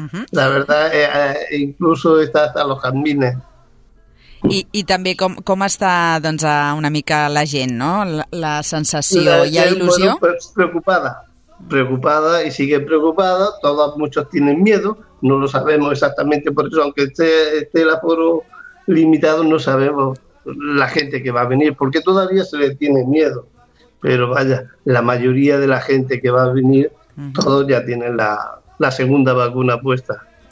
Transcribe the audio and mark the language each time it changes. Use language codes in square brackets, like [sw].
[es] La verdad, incluso está hasta los jazmines. [ca] I també com està doncs, una mica la gent, no? La sensació, hi ha il·lusió? [es] Bueno, preocupada y sigue preocupada. Todos, muchos tienen miedo, no lo sabemos exactamente por eso, aunque esté el aforo limitado, no sabemos la gente que va a venir, porque todavía se le tiene miedo. Pero vaya, la mayoría de la gente que va a venir, todos ya tienen la segunda vacuna puesta.